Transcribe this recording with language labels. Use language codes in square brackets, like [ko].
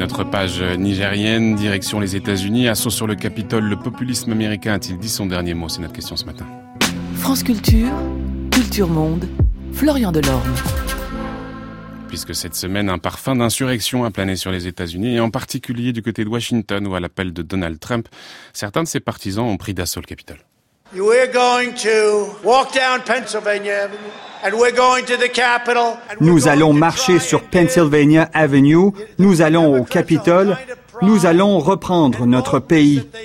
[fr] Page nigérienne, direction les États-Unis. Assaut sur le Capitole, le populisme américain a-t-il dit son dernier mot? C'est notre question ce matin. France Culture, Culture Monde, Florian Delorme. Puisque cette semaine, un parfum d'insurrection a plané sur les États-Unis, et en particulier du côté de Washington, où à l'appel de Donald Trump, certains de ses partisans ont pris d'assaut le Capitole. [en] We're going to walk down Pennsylvania Avenue and we're going to the Capitol. [fr] Nous allons marcher sur Pennsylvania Avenue, nous allons au Capitole, nous allons reprendre notre pays.